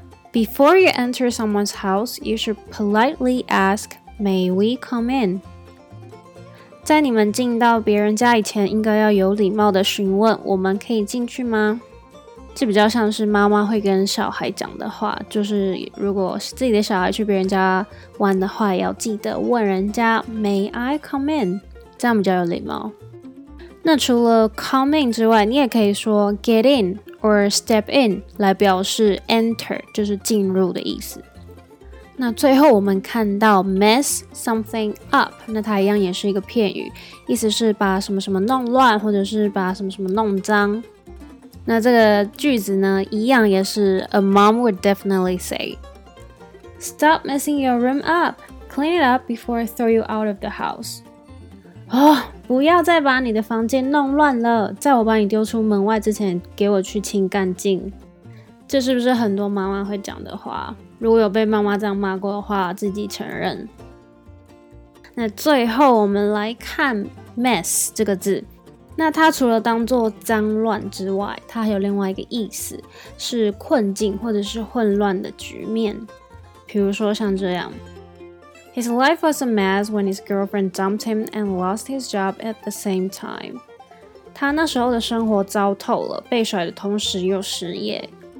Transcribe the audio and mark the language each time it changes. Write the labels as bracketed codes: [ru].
[en] Before you enter someone's house, you should politely ask, may we come in? [zh] 在你们进到别人家以前，应该要有礼貌的询问：“我们可以进去吗？” 这比较像是妈妈会跟小孩讲的话，就是如果是自己的小孩去别人家玩的话，要记得问人家 [en] “May I come in？” [zh] 这样比较有礼貌。那除了 “come in” 之外，你也可以说 “get in” or “step in” 来表示 “enter”， 就是进入的意思。那最后我们看到 mess something up， 那它一样也是一个片语，意思是把什么什么弄乱，或者是把什么什么弄脏。那这个句子呢，一样也是 [en] a mom would definitely say， Stop messing your room up. Clean it up before I throw you out of the house. [zh] 哦，不要再把你的房间弄乱了，在我把你丢出门外之前，给我去清干净。这是不是很多妈妈会讲的话？如果有被妈妈这样骂过的话，自己承认。那最后我们来看 mess 这个字，那它除了当作脏乱之外，它还有另外一个意思，是困境或者是混乱的局面。比如说像这样 [en] ，His life was a mess when his girlfriend dumped him and lost his job at the same time。 [zh] 他那时候的生活糟透了，被甩的同时又失业。